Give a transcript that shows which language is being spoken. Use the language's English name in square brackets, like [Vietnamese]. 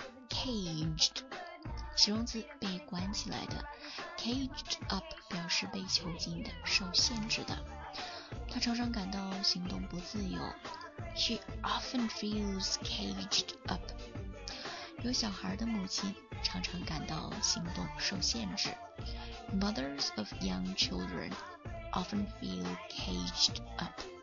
[Chinese] Caged, 形容词被关起来的。 Caged up 表示被囚禁的，受限制的。他常常感到行动不自由。 [English] She often feels caged up. [Chinese] 有小孩的母亲常常感到行动受限制。 [English] Mothers of young children often feel caged up.